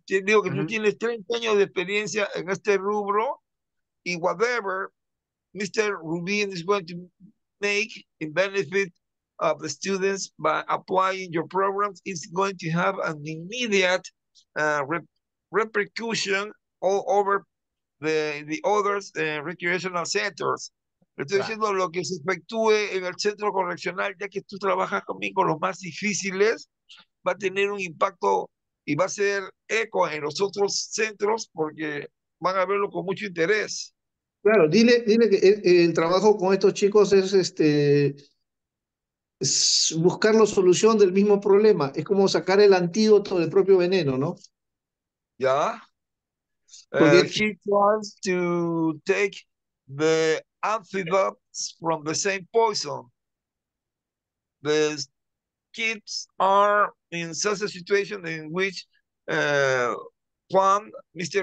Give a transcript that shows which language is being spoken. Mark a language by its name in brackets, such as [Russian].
[Spanish] Te digo que tú tienes 30 años de experiencia en este rubro y [English] whatever Mr. Rubin is going to make in benefit of the students by applying your programs is going to have an immediate repercussion all over the others recreational centers. [Spanish] Le estoy diciendo lo que se efectúe en el centro correccional, ya que tú trabajas conmigo los más difíciles, va a tener un impacto y va a ser eco en los otros centros porque van a verlo con mucho interés. Claro, dile que el trabajo con estos chicos es buscar la solución del mismo problema. Es como sacar el antídoto del propio veneno, ¿no? ¿Ya? Porque [English] He wants to take the amphibians from the same poison. The kids are in such a situation in which Juan, Mr.